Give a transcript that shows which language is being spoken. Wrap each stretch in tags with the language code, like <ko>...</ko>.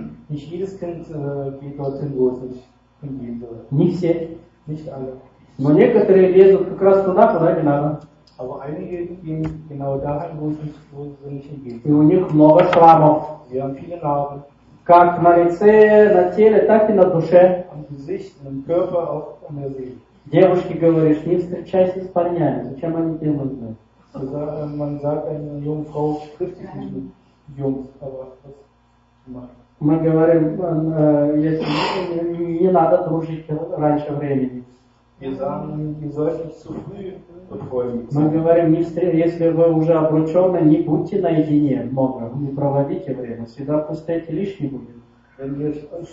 <de>Nicht jedes Kind geht dorthin, wo es nicht hingehen soll. Nicht</de> <ru>все.</ru> <de>Nicht alle.</de> <ru>Но некоторые лезут как раз туда, куда не надо.</ru> <de>Aber einige gehen genau dahin, wo es nicht, wo sie nicht hingehen.</de> <ru>И у них много шрамов.</ru> <de>Sie haben viele Narben.</de> <ru>Как на лице, на теле, так и на душе.</ru> <de>Am Gesicht, am Körper, auch an der Seele.</de> <ru>Девушке говоришь, не встречайся с парнями. Зачем они тебе нужны?</ru> <de>Man sagt einer jungen Frau, trifft sich nicht mit Jungs, aber das macht.</de> <ru>Мы говорим, если не надо дружить раньше времени. Мы говорим, если вы уже обручены, не будьте наедине много, не проводите время, всегда пустяки лишний будет.</ru>